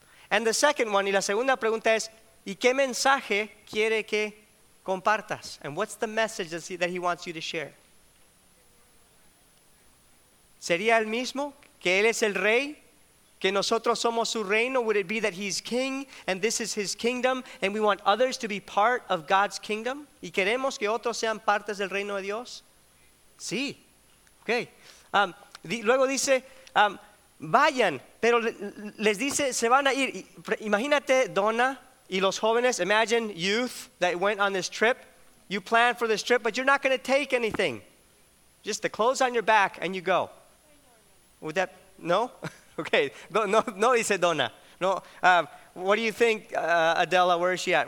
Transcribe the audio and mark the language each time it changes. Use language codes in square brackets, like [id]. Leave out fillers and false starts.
[en] And the second one, [es] y la segunda pregunta es, ¿y qué mensaje quiere que compartas? [en] And what's the message that he wants you to share? [es] ¿Sería el mismo? ¿Que él es el rey? ¿Que nosotros somos su reino? [en] Would it be that he's king and this is his kingdom and we want others to be part of God's kingdom? [es] ¿Y queremos que otros sean partes del reino de Dios? Sí. Okay. Luego dice, vayan, pero les dice, se van a ir. Imagínate, Donna, y los jóvenes, [en] imagine youth that went on this trip. You plan for this trip, but you're not going to take anything. Just the clothes on your back and you go. Would that, no? Okay, no, [es] dice Donna. [en] No. What do you think, Adela, where is she at?